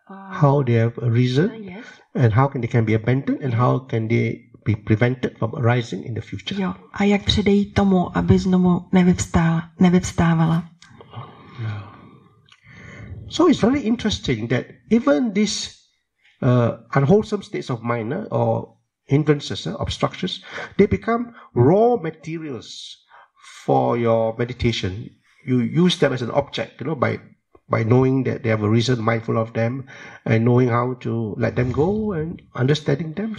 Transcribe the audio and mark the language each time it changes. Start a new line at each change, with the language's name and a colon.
English: How they have arisen, and how they can be abandoned, and how can they be prevented from arising in the future.
Czech: Jo. A jak předejít tomu, aby znovu nevyvstávala.
English: So it's very interesting that even this unwholesome states of mind, or hindrances, obstructions, they become raw materials for your meditation. You use them as an object, you know, by knowing that they have a reason, mindful of them, and knowing how to let them go and understanding them.